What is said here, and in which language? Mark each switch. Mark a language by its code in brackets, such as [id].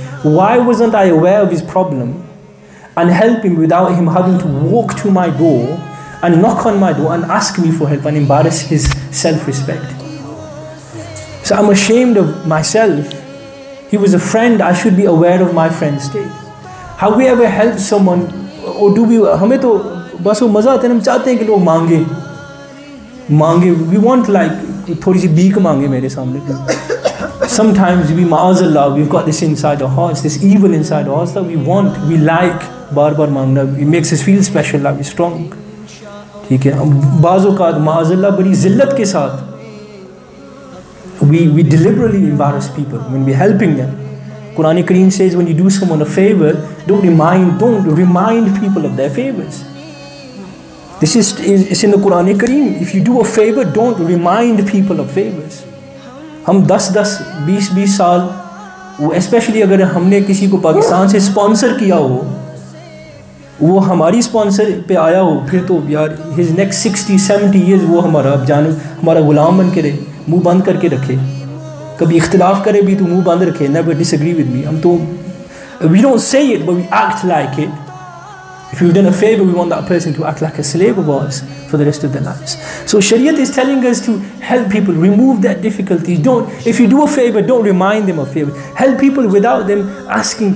[en] Why wasn't I aware of his problem and help him without him having to walk to my door and knock on my door and ask me for help and embarrass his self-respect? So I'm ashamed of myself. He was a friend, I should be aware of my friend's state. Have we ever helped someone? Or do we? [ur] ہمیں تو بس وہ مزہ آتا ہے، ہم چاہتے ہیں کہ لوگ مانگیں۔ مانگیں، [en] we want like [ur] تھوڑی سی بھیک مانگیں میرے سامنے۔ [en] Sometimes we, [ur] Muaz Allah, [en] we've got this inside our hearts, this evil inside our hearts that we want, we like [ur] بار بار مانگنا۔ [en] It makes us feel special, like we're strong. [ur] Theek hai, baz oqat ma'azallah badi zillat ke saath [en] we deliberately embarrass people when we're helping them. Quran Kareem says when you do someone a favor, don't remind people of their favors. This is in the Quran Kareem. If you do a favor, don't remind people of favors. [ur] ہم 10-10، 20-20 سال، especially اگر ہم نے کسی کو Pakistan سے sponsor کیا ہو، وہ ہماری sponsor پہ آیا ہو، پھر تو یار، [en] his next 60-70 years [ur] وہ ہمارا اب جانے ہمارا غلام بن کے رہے، منہ بند کر کے رکھے۔ Kabhi ikhtilaf kare bhi to muh band rakhe, [en] never disagree with me. [ur] Hum to, [en] we don't say it, but we act like it. If we've done a favor, we want that person to act like a slave of ours for the rest of their lives. So Sharia is telling us to help people, remove that difficulty. Don't, if you do a favor, don't remind them of favor. Help people without them asking.